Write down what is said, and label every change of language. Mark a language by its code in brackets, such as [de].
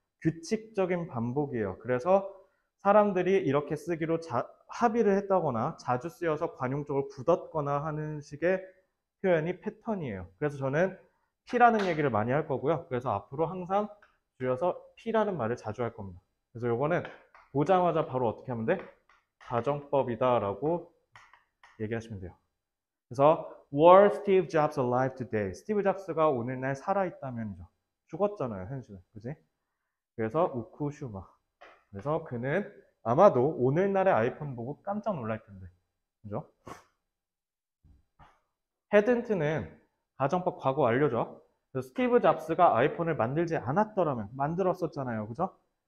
[ko] 규칙적인 반복이에요. 그래서 사람들이 이렇게 쓰기로 합의를 했다거나 자주 쓰여서 관용적으로 굳었거나 하는 식의 표현이 패턴이에요. 그래서 저는 P라는 얘기를 많이 할 거고요. 그래서 앞으로 항상 줄여서 P라는 말을 자주 할 겁니다. 그래서 요거는 보자마자 바로 어떻게 하면 돼? 가정법이다라고 얘기하시면 돼요. [en] 그래서 were Steve Jobs alive today? [ko] 스티브 잡스가 오늘날 살아있다면이죠. 죽었잖아요, 현실은. 그지? 그래서 우쿠슈마. 그래서 그는 아마도 오늘날의 아이폰 보고 깜짝 놀랄 텐데. 그죠? 헤든트는 가정법 과거 완료죠. 그래서 스티브 잡스가 아이폰을 만들지 않았더라면, 만들었었잖아요. 그죠?